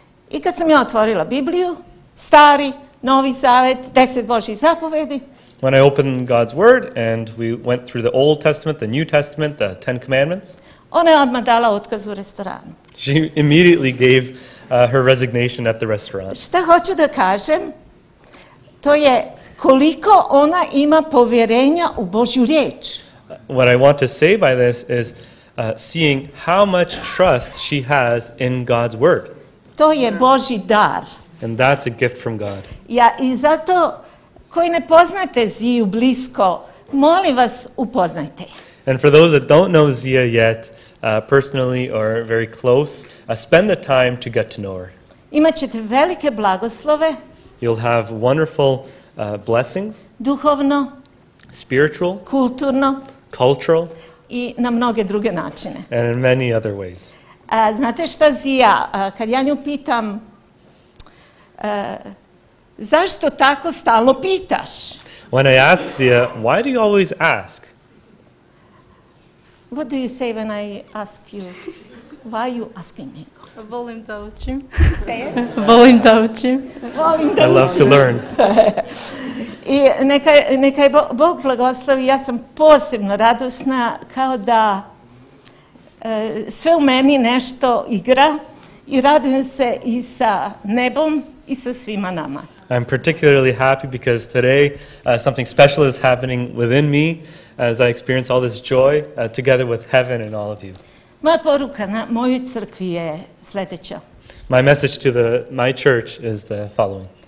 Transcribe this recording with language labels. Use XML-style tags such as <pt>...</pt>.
<sr>I kad sam ja otvorila Bibliju, stari, novi zavet, 10 Božjih zapovedi.</sr> <en>When I opened God's word and we went through the Old Testament, the New Testament, the Ten Commandments.</en> <sr>Ona je odmah dala otkaz u restoranu.</sr> <en>She immediately gave her resignation at the restaurant.</en> <sr>Šta hoću da kažem? To je koliko ona ima povjerenja u Božju riječ.</sr> <en>What I want to say by this is seeing how much trust she has in God's word.</en> <sr>To je Božji dar.</sr> <en>And that's a gift from God.</en> <sr>Ja, I zato koji ne poznate Ziju blisko, Molim vas, upoznajte.</sr> <en>And for those that don't know Zia yet, personally or very close, spend the time to get to know her.</en> <sr>Imaćete velike blagoslove.</sr> <en>You'll have wonderful blessings.</en> <sr>Duhovno.</sr> <en>Spiritual.</en> <sr>Kulturno.</sr> <en>Cultural.</en> <sr>I na mnoge druge načine.</sr> <en>And in many other ways.</en> <sr>Znate šta Zija, kad ja nju pitam, zašto tako stalno pitaš?</sr> <en>When I ask Zija, why do you always ask? What do you say when I ask you, why are you asking me?</en> <sr>Volim da učim.</sr> <en>Say it.</en> <sr>Volim da učim. Volim da učim.</sr> <en>I love to learn.</en> <sr>I neka je Bog blagoslovi, ja sam posebno radosna, kao da sve u meni nešto igra i radujem se i sa nebom i sa svima nama.</sr> <en>I'm particularly happy because today something special is happening within me as I experience all this joy together with heaven and all of you.</en> <sr>Moja poruka na mojoj crkvi je sljedeća.</sr> <en>My message to my church is the following.</en>